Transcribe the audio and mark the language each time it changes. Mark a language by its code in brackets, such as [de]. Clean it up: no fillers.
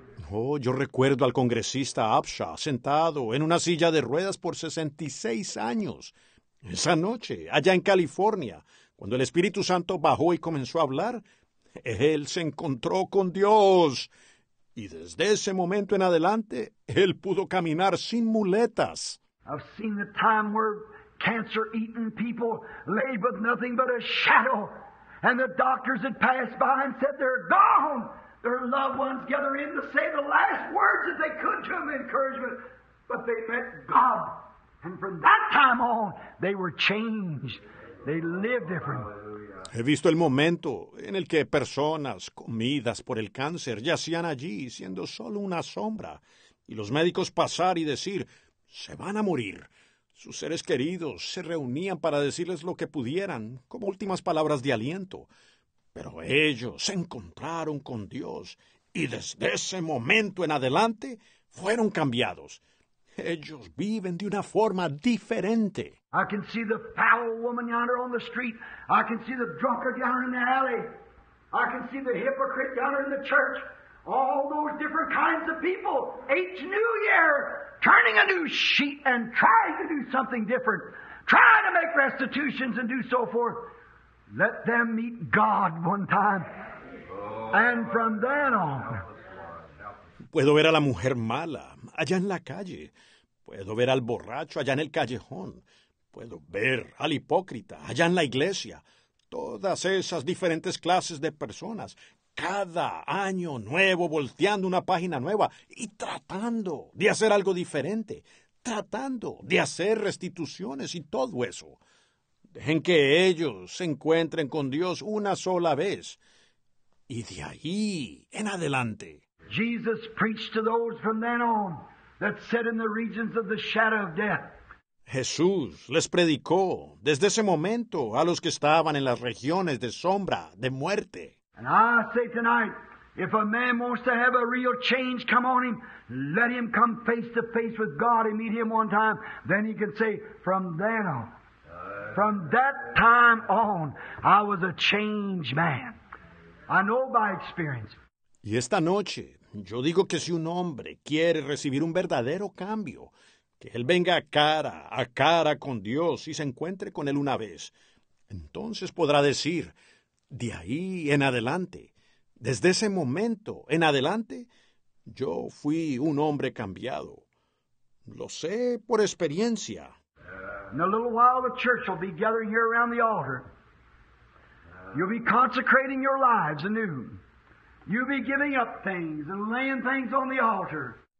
[es] Oh, yo recuerdo al congresista Upshaw sentado en una silla de ruedas por 66 años. Esa noche, allá en California, cuando el Espíritu Santo bajó y comenzó a hablar, él se encontró con Dios. Y desde ese momento en adelante, él pudo caminar sin muletas. [en] I've seen the time where cancer-eaten people lay with nothing but a shadow. And the doctors had passed by and said, they're gone. Their loved ones gather in to say the last words that they could to them, encouragement. But they met God. And from that time on, they were changed. They lived different. [es] He visto el momento en el que personas comidas por el cáncer yacían allí siendo solo una sombra. Y los médicos pasar y decir, se van a morir. Sus seres queridos se reunían para decirles lo que pudieran, como últimas palabras de aliento. Pero ellos se encontraron con Dios y desde ese momento en adelante fueron cambiados. Ellos viven de una forma diferente. [en] I can see the foul woman yonder on the street. I can see the drunkard yonder in the alley. I can see the hypocrite yonder in the church. All those different kinds of people. Each new year, turning a new sheet and trying to do something different. Trying to make restitutions and do so forth. Let them meet God one time. And from then on. [es] Puedo ver a la mujer mala allá en la calle. Puedo ver al borracho allá en el callejón. Puedo ver al hipócrita allá en la iglesia. Todas esas diferentes clases de personas. Cada año nuevo volteando una página nueva y tratando de hacer algo diferente. Tratando de hacer restituciones y todo eso. Dejen que ellos se encuentren con Dios una sola vez. Y de ahí en adelante. [en] Jesus preached to those from then on that sat in the regions of the shadow of death. [es] Jesús les predicó desde ese momento a los que estaban en las regiones de sombra, de muerte. [en] And I say tonight, if a man wants to have a real change come on him, let him come face to face with God and meet him one time. Then he can say, from then on, from that time on, I was a changed man. I know by experience. [es] Y esta noche, yo digo que si un hombre quiere recibir un verdadero cambio, que él venga cara a cara con Dios y se encuentre con él una vez, entonces podrá decir, de ahí en adelante, desde ese momento en adelante, yo fui un hombre cambiado. Lo sé por experiencia. [en] In a little while the church will be gathering here around the altar. You'll be consecrating your lives anew. You'll be giving up things and laying things on the altar.